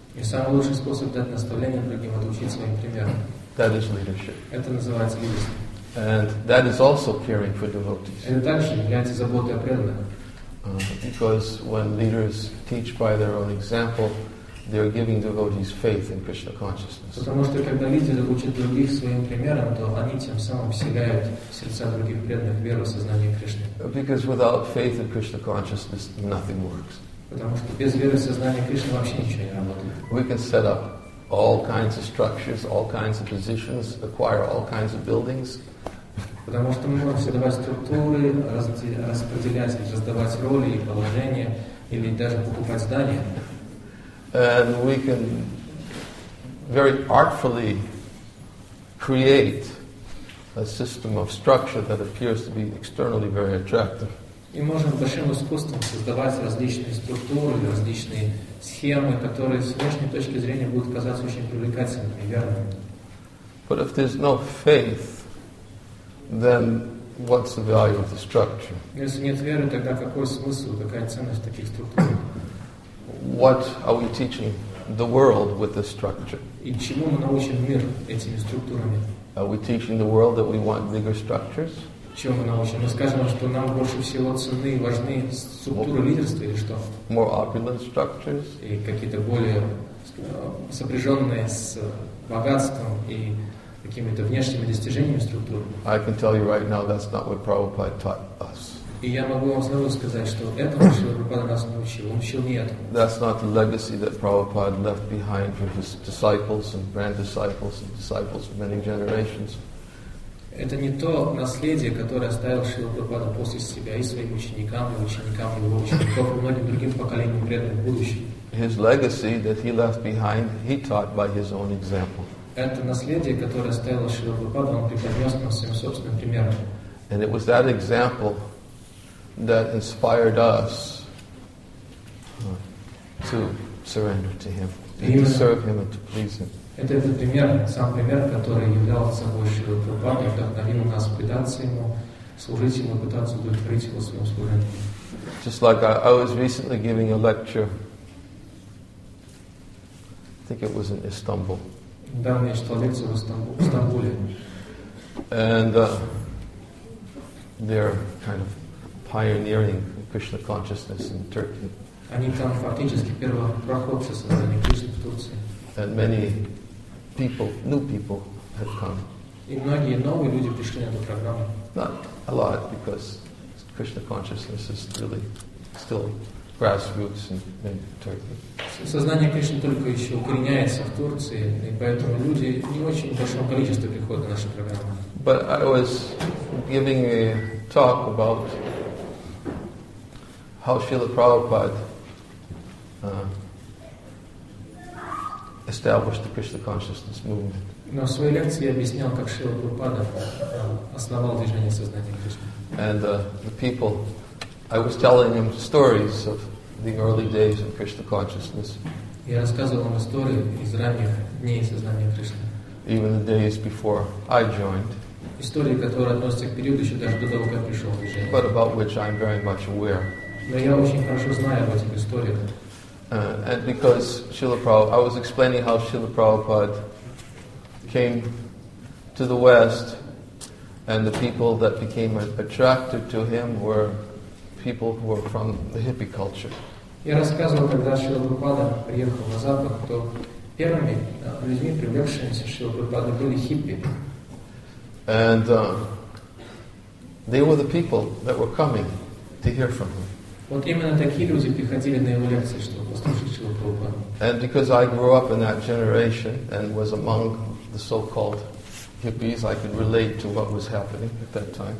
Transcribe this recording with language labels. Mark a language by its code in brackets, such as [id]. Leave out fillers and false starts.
[ru] И самый лучший способ дать наставление другим — это учить своим примером. [en] That is leadership. [ru] Это называется лидерство. [en] And that is also caring for devotees. [ru] Это также является заботой о преданных. [en] Because when leaders teach by their own example, they are giving devotees faith in Krishna consciousness. [ru] Потому что когда лидеры учат других своим примером, то они тем самым вселяют в сердца других преданных веру в сознание Кришны. [en] Because without faith in Krishna consciousness, nothing works. [ru] Потому что без веры в сознание Кришны вообще ничего не работает. [en] We can set up all kinds of structures, all kinds of positions, acquire all kinds of buildings. [ru] Потому что мы можем создавать структуры, распределять, раздавать роли и положения, или даже покупать здания. [en] And we can very artfully create a system of structure that appears to be externally very attractive. [ru] И можем большим искусством создавать различные структуры, различные схемы, которые с внешней точки зрения будут казаться очень привлекательными, верно? [en] But if there's no faith, then what's the value of the structure? [ru] Если нет веры, тогда какой смысл, какая ценность таких структур? [en] What are we teaching the world with this structure? [ru] И чему мы научим мир этими структурами? [en] Are we teaching the world that we want bigger structures? [ru] Чему мы научим? Мы скажем, что нам больше всего ценны и важны структуры лидерства или что? [en] More opulent structures? [ru] И какие-то более сопряженные с богатством и какими-то внешними достижениями структуры. [en] I can tell you right now that's not what Prabhupada taught us. [ru] И я могу вам сразу сказать, что этому Шрила Прабхупада нас не учил, он учил не этому. [en] That's not the legacy that Prabhupada left behind for his disciples and grand disciples and disciples for many generations. [ru] Это не то наследие, которое оставил Шрила Прабхупада после себя и своим ученикам, и ученикам его учеников, и многим другим поколениям преданных в будущем. [en] His legacy that he left behind, he taught by his own example. [ru] Это наследие, которое оставил Шрила Прабхупада, он преподнес нам своим собственным примером. [en] And it was that example that inspired us to surrender to him, and to serve him, and to please him. [ru] Это этот пример, сам пример, который являлся больше Прабхупадой, вдохновил нас предаться ему, служить ему, пытаться удовлетворить его своим служением. [en] Just like I was recently giving a lecture, I think it was in Istanbul. [ru] Недавно я читал лекцию в Стамбуле. [en] And they're kind of pioneering Krishna consciousness in Turkey. [ru] Они там фактически первопроходцы создания Кришны в Турции. [en] And many people, new people, have come. [ru] И многие новые люди пришли на эту программу. [en] Not a lot, because Krishna consciousness is really still grassroots in Turkey. [ru] Сознание Кришны только еще укореняется в Турции, и поэтому люди не очень большого количества приходят на наши программы. [en] But I was giving a talk about how Srila Prabhupada established the Krishna consciousness movement. [ru] Но в своей лекции я объяснял, как Шрила Прабхупада основал движение сознания Кришны. [en] And the people, I was telling them stories of the early days of Krishna consciousness. [ru] Я рассказывал им истории из ранних дней сознания Кришны. [en] Even the days before I joined. [ru] Истории, которые относятся к периоду еще даже до того, как пришел в движение. [en] But about which I'm very much aware. [ru] Но я очень хорошо знаю об этих историях. [en] And because Srila Prabhupada, I was explaining how Srila Prabhupada came to the West, and the people that became attracted to him were people who were from the hippie culture. [ru] Я рассказывал, когда Шрила Прабхупада приехал на Запад, то первыми людьми, привлекшимися Шрила Прабхупада, были хиппи. [en] And they were the people that were coming to hear from him. [ru] Вот именно такие люди приходили на его лекции, чтобы послушать Шрила Прабхупада. [en] And because I grew up in that generation and was among the so-called hippies, I could relate to what was happening at that time.